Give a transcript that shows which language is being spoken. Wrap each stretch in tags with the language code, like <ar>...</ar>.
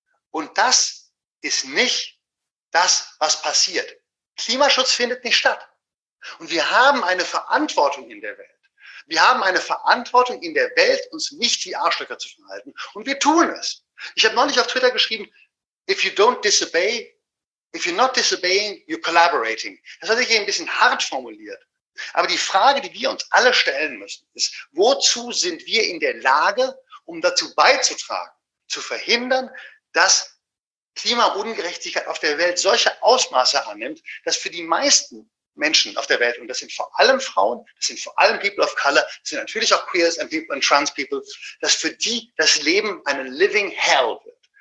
<de>Und das ist nicht das, was passiert. Klimaschutz findet nicht statt. Und wir haben eine Verantwortung in der Welt. Wir haben eine Verantwortung in der Welt, uns nicht wie Arschlöcher zu verhalten. Und wir tun es. Ich habe neulich auf Twitter geschrieben,</de> <en>if you don't disobey, If you're not disobeying, you're collaborating.</en> <de>Das hatte ich eben ein bisschen hart formuliert. Aber die Frage, die wir uns alle stellen müssen, ist, wozu sind wir in der Lage, um dazu beizutragen, zu verhindern, dass Klimaungerechtigkeit auf der Welt solche Ausmaße annimmt, dass für die meisten Menschen auf der Welt, und das sind vor allem Frauen, das sind vor allem People of Color, das sind natürlich auch</de> <en>Queers and People and Trans People,</en> <de>dass für die das Leben eine Living Hell wird.</de>